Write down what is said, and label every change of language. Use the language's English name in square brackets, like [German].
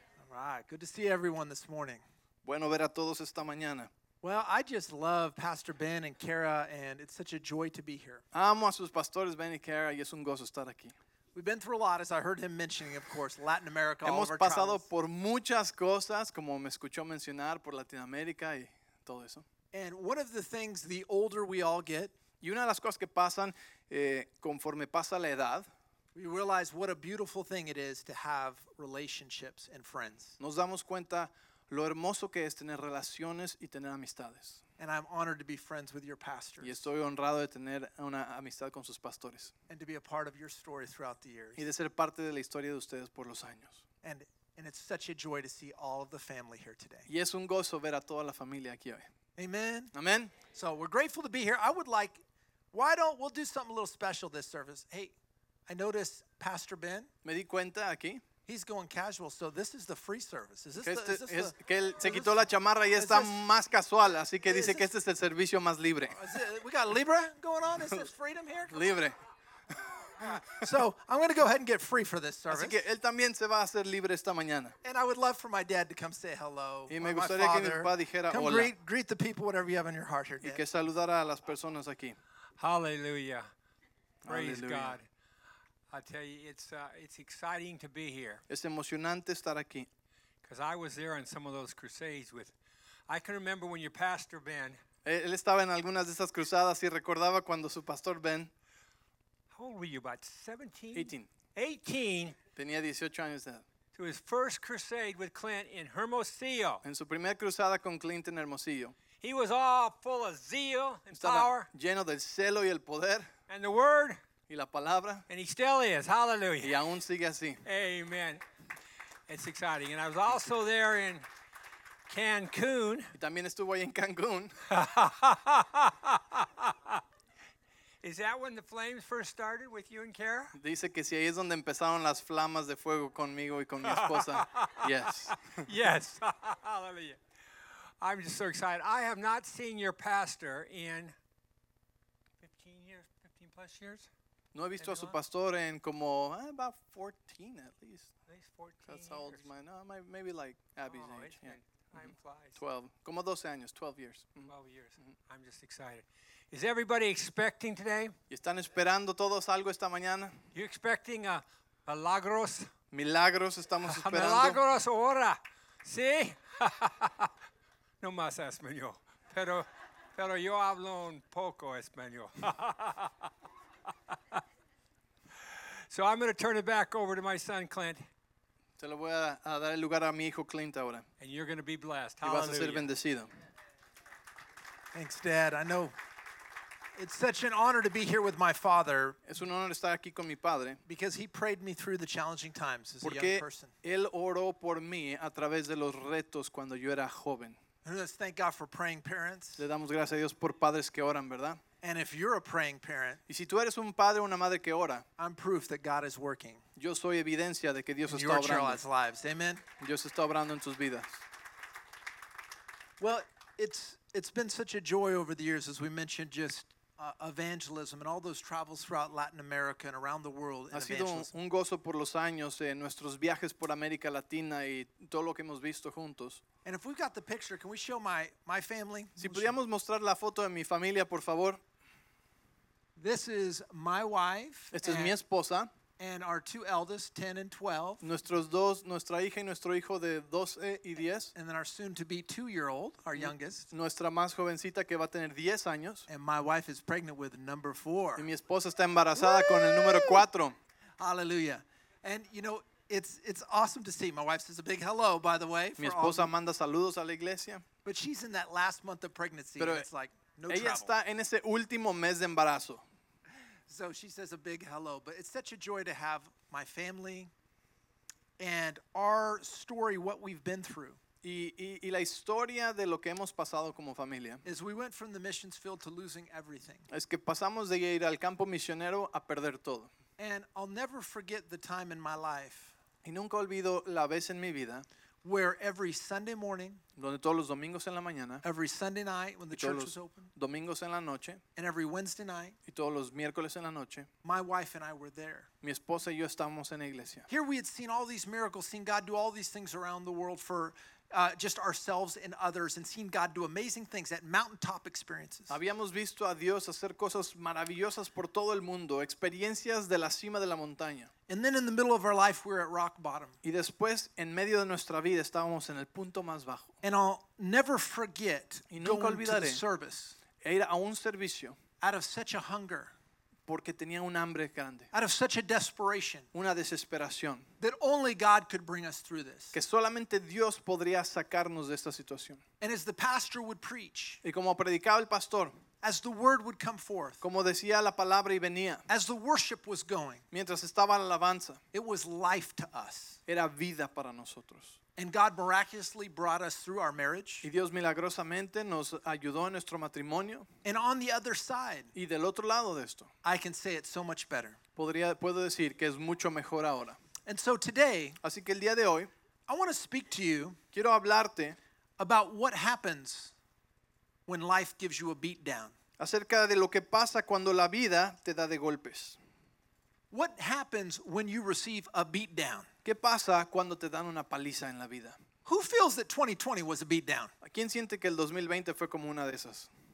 [English] All right, good to see everyone this morning. [Spanish] Bueno ver a todos esta mañana. [English] Well, I just love Pastor Ben and Kara, and it's such a joy to be here. [Spanish] Amo a sus pastores Ben y Kara, y es un gozo estar aquí. [English] We've been through a lot, as I heard him mentioning, of course, Latin America. [Spanish] Hemos [English] all of our [Spanish] pasado [English] travels. [Spanish] Por muchas cosas, como me escuchó mencionar, por Latinoamérica y todo eso. [English] And one of the things, the older we all get, [Spanish] y una de las cosas que pasan conforme pasa la edad. [English] We realize what a beautiful thing it is to have relationships and friends. [Spanish] Nos damos cuenta lo hermoso que es tener relaciones y tener amistades. [English] And I'm honored to be friends with your pastors. [Spanish] Y estoy honrado de tener una amistad con sus pastores. [English] And to be a part of your story throughout the years. [Spanish] Y de ser parte de la historia de ustedes por los años. [English] And it's such a joy to see all of the family here today. [Spanish] Y es un gozo ver a toda la familia aquí hoy. [English] Amen. Amen. So we're grateful to be here. I would like, we'll do something a little special this service. Hey, I noticed Pastor Ben. [Spanish] Me di cuenta aquí. [English] He's going casual, so this is the free service. Is this [Spanish] que este, [English] the, is this [Spanish] es, que él se quitó this, la chamarra y está this, más casual, así que dice [English] this, [Spanish] que este es el servicio más libre. [English] We got Libra going on? Is this freedom here? [Spanish] Come libre. [English] So I'm going to go ahead and get free for this service. [Spanish] Así que él también se va a hacer libre esta mañana. [English] And I would love for my dad to come say hello. [Spanish] Y me gustaría [English] my [Spanish] que mi papá dijera [English] come [Spanish] hola. [English] Greet the people, whatever you have in your heart here, [Spanish] y que saludara a las personas aquí. [English] Hallelujah. Praise Hallelujah. God. I tell you, it's exciting to be here. [Spanish] Es emocionante estar aquí. [English] Because I was there on some of those crusades with, I can remember when your pastor Ben. [Spanish] Él estaba en algunas de esas cruzadas y recordaba cuando su pastor Ben. [English] How old were you, about 17? 18. 18. [Spanish] Tenía 18 años de edad. [English] To his first crusade with Clint in Hermosillo. [Spanish] En su primera cruzada con Clint en Hermosillo. [English] He was all full of zeal and [Spanish] estaba [English] power. [Spanish] Lleno del celo y el poder. [English] And the word. [Spanish] Y la palabra. [English] And he still is. Hallelujah. [Spanish] Y aún sigue así. [English] Amen. It's exciting. And I was also there in Cancun. [Spanish] Y también estuvo ahí en Cancun. [English] Is that when the flames first started with you and Kara? [Spanish] Dice que si ahí es donde empezaron las flamas de fuego conmigo y con mi esposa. [English] Yes. Yes. Hallelujah. I'm just so excited. I have not seen your pastor in 15 years, 15 plus years. [Spanish] No he visto a su pastor en como, [English] about 14 at least. At least 14 That's How old is my, no, maybe like Abby's oh, age. Yeah. Time flies. [Spanish] 12, como 12 años, [English] 12 years. Mm-hmm. 12 years, mm-hmm. I'm just excited. Is everybody expecting today? [Spanish] ¿Y están esperando todos algo esta mañana? [English] You expecting a milagros? [Spanish] Milagros estamos esperando. Milagros ahora, ¿sí? No más español, pero yo hablo un poco español. [English] So I'm going to turn it back over to my son Clint. [Spanish] Te lo voy a dar el lugar a mi hijo Clint ahora. [English] And you're going to be blessed. Hallelujah. [Spanish] Y vas a ser bendecido. [English] Thanks, Dad. I know it's such an honor to be here with my father. [Spanish] Es un honor estar aquí con mi padre. [English] Because he prayed me through the challenging times as [Spanish] Porque [English] a young person. [Spanish] Porque él oró por mí a través de los retos cuando yo era joven. [English] Let's thank God for praying parents. [Spanish] Le damos gracias a Dios por padres que oran, ¿verdad? [English] And if you're a praying parent, [Spanish] y si tú eres un padre o una madre que ora, [English] I'm proof that God is working. [Spanish] Yo soy evidencia de que Dios [English] in [Spanish] está obrando. [English] Your child's lives. Amen. [Spanish] Dios está obrando en tus vidas. [English] Well, it's been such a joy over the years, as we mentioned, just evangelism and all those travels throughout Latin America and around the world. [Spanish] Ha sido un gozo por los años en nuestros viajes por América Latina y todo lo que hemos visto juntos. [English] And if we've got the picture, can we show my family? [Spanish] Si pudiéramos mostrar la foto de mi familia, por favor. [English] This is my wife. [Spanish] Esta es mi esposa. [English] And our two eldest, 10 and 12. [Spanish] Nuestros dos, nuestra hija y nuestro hijo de 12 y 10. [English] And then our soon-to-be 2-year-old, our youngest. [Spanish] Nuestra más jovencita que va a tener 10 años. [English] And my wife is pregnant with number 4. [Spanish] Y mi esposa está embarazada con el número 4. [English] Hallelujah. And, you know, it's awesome to see. My wife says a big hello, by the way. [Spanish] Mi esposa manda saludos a la iglesia. [English] But she's in that last month of pregnancy. [Spanish] Pero [English] it's like no [Spanish] ella [English] travel. [Spanish] Está en ese último mes de embarazo. [English] So she says a big hello, but it's such a joy to have my family and our story, what we've been through. [Spanish] Y la historia de lo que hemos pasado como familia. [English] Is we went from the missions field to losing everything. [Spanish] Es que pasamos de ir al campo misionero a perder todo. [English] And I'll never forget the time in my life. [Spanish] Y nunca olvido la vez en mi vida. [English] where every Sunday morning, [Spanish] donde todos los domingos en la mañana, [English] every Sunday night when the church was open, [Spanish] domingos en la noche, [English] and every Wednesday night, [Spanish] y todos los miércoles en la noche, [English] my wife and I were there. [Spanish] Mi esposa y yo estábamos en la iglesia. [English] Here we had seen all these miracles, seen God do all these things around the world for just ourselves and others, and seen God do amazing things at mountaintop experiences. [Spanish] Habíamos visto a Dios hacer cosas maravillosas por todo el mundo, experiencias de la cima de la montaña. [English] And then in the middle of our life, we're at rock bottom. [Spanish] Y después, en medio de nuestra vida, estábamos en el punto más bajo. [English] And I'll never forget going to the service. [Spanish] Ir a un servicio. [English] Out of such a hunger. [Spanish] Porque tenía un hambre grande. [English] Out of such a desperation. [Spanish] Una desesperación. [English] That only God could bring us through this. [Spanish] Que solamente Dios podría sacarnos de esta situación. [English] And as the pastor would preach. [Spanish] Y como predicaba el pastor. [English] As the word would come forth. [Spanish] Como decía la palabra y venía. [English] As the worship was going. [Spanish] Mientras estaba la alabanza. [English] It was life to us. [Spanish] Era vida para nosotros. [English] And God miraculously brought us through our marriage. [Spanish] Y Dios milagrosamente nos ayudó en nuestro matrimonio. [English] And on the other side. [Spanish] Y del otro lado de esto. [English] I can say it so much better. [Spanish] Puedo decir que es mucho mejor ahora. [English] And so today. [Spanish] Así que el día de hoy. [English] I want to speak to you. [Spanish] Quiero hablarte. [English] About what happens. When life gives you a beat down. [Spanish] Acerca de lo que pasa cuando la vida te da de golpes. [English] What happens when you receive a beat down? [Spanish] ¿Qué pasa cuando te dan una paliza en la vida? [English] Who feels that 2020 was a beat down? [Spanish] ¿A quién siente que el 2020 fue como una de esas?